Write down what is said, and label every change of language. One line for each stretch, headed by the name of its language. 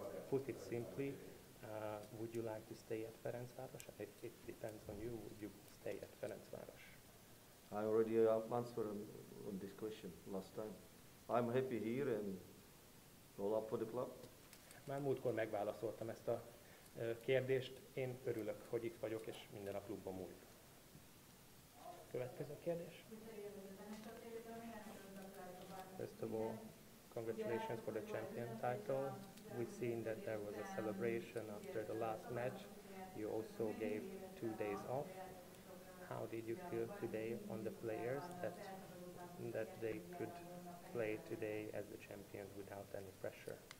English: Put it simply, would you like to stay at Ferencváros? It depends on you, would you stay at Ferencváros? I already answered on this question last time. I'm happy here and all up for the club.
Hungarian: Már múltkor megválaszoltam ezt a kérdést. Én örülök, hogy itt vagyok, és minden a klubban múlik. Következő kérdés.
English: First of all, congratulations for the champion title. We've seen that there was a celebration after the last match. You also gave 2 days off. How did you feel today on the players that they could play today as the champions without any pressure?